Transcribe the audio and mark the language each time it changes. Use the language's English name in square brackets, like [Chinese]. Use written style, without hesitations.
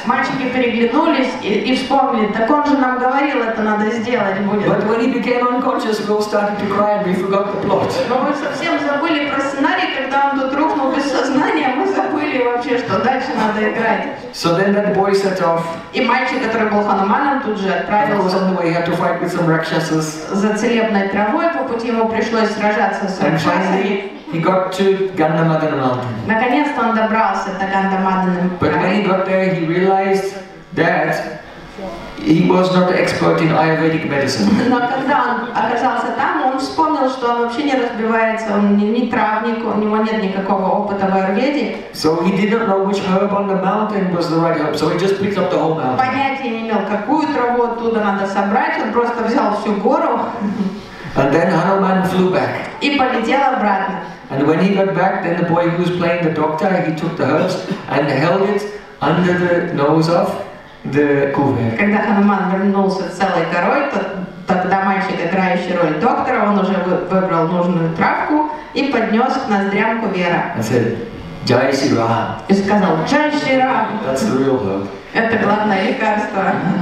[Russian] Мальчики переглянулись и вспомнили, так он же нам говорил, это надо сделать будет. [English] But when he became unconscious, we all started to cry and we forgot the plot. [Russian] Но мы совсем забыли про сценарий, когда он тут рухнул без сознания, мы забыли вообще, что дальше надо играть. [English] So then that boy set off. [Russian] И мальчик, который был Хануманом, тут же отправился. [English] And he had to fight with some rakshasas. [Russian] За целебной травой по пути ему пришлось сражаться с ракшасами. [English] He got to Gandhamadana mountain. [Russian] Наконец-то он добрался до Гандамадана. [English] But when he got there, he realized that he was not an expert in Ayurvedic medicine. [Russian] Но когда он оказался там, он вспомнил, что он вообще не разбивается, он не травник, у него нет никакого опыта в Аюрведе. [English] So he didn't know which herb on the mountain was the right herb, so he just picked up the whole mountain. [Russian] Понятия не имел, какую траву оттуда надо собрать, он просто взял всю гору. [English] And then Hanuman flew back. [Russian] И полетел обратно. [English] And when he got back, then the boy who was playing the doctor, he took the herbs and held it under the nose of the kuvert. [Russian] Когда Хануман вернулся целой горой, тогда мальчик, играющий роль доктора, он уже выбрал нужную травку и поднес к ноздрям кувера. [English] And said, Jai Shri Ram. [Russian] И сказал, Jai Shri Ram. [English] That's the real herb. [Russian] Это главное лекарство.